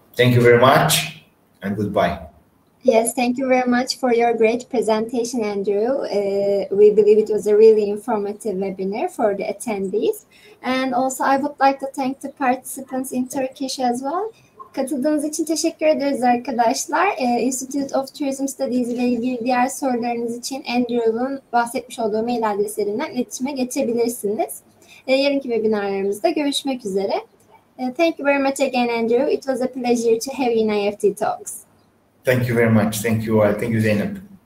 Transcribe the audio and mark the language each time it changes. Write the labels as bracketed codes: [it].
[en] Thank you very much and goodbye. Yes, thank you very much for your great presentation, Andrew. We believe it was a really informative webinar for the attendees. And also, I would like to thank the participants in Turkish as well. [tr] Katıldığınız için teşekkür ederiz arkadaşlar. Institute of Tourism Studies ile ilgili diğer sorularınız için Andrew'un bahsetmiş olduğu mail adreslerinden iletişime geçebilirsiniz. Yarınki webinarlarımızda görüşmek üzere. [en] Thank you very much again, Andrew. It was a pleasure to have you in IEFT Talks. Thank you very much. Thank you all. Thank you, Zeynep.